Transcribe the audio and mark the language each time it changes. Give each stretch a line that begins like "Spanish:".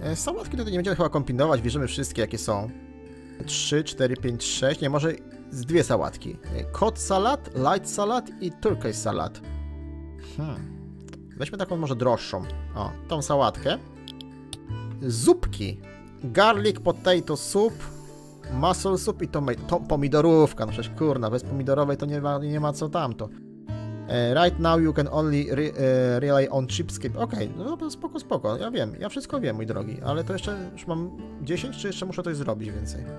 Polish: Sałatki tutaj nie będziemy chyba kombinować, bierzemy wszystkie jakie są. 3, 4, 5, 6, nie, może z dwie sałatki. Cod salad, light salad i turkish salad. Weźmy taką może droższą. O, tą sałatkę. Zupki. Garlic potato soup, mussel soup i to pomidorówka. No przecież kurna, bez pomidorowej to nie ma co tamto.
English: Right now you can only rely on chipscape.
Polish: Okej, okay, no spoko, ja wiem, ja wszystko wiem, mój drogi. Ale to jeszcze już mam 10, czy jeszcze muszę coś zrobić więcej?